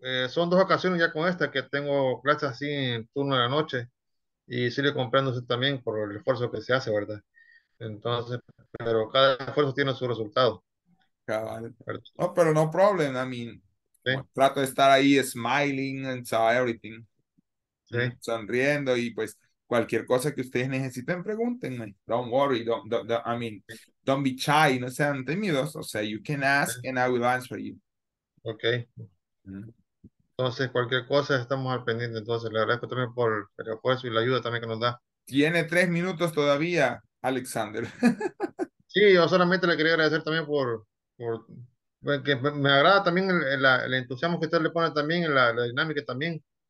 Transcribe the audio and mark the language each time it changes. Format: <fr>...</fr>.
<es>Son 2 ocasiones ya con esta que tengo clases así en turno de la noche, y sí le comprendo eso también por el esfuerzo que se hace, ¿verdad? Entonces, pero cada esfuerzo tiene su resultado. Cabal. No, pero</es> <en>no problem, I mean,</en> <es>trato de estar ahí</es> <en>smiling and so everything.</en> <es>¿Sí? Sonriendo, y pues cualquier cosa que ustedes necesiten, pregúntenme.</es> <en>Don't worry, don't be shy,</en> <es>no sean tímidos, o sea,</es> <en>you can ask and I will answer you.</en> <es>Okay. Entonces, cualquier cosa estamos al pendiente. Entonces, le agradezco también por el esfuerzo y la ayuda también que nos da. Tiene 3 minutos todavía, Alexander. Sí, yo solamente le quería agradecer también por que me agrada también el entusiasmo que usted le pone también en la dinámica también.</es>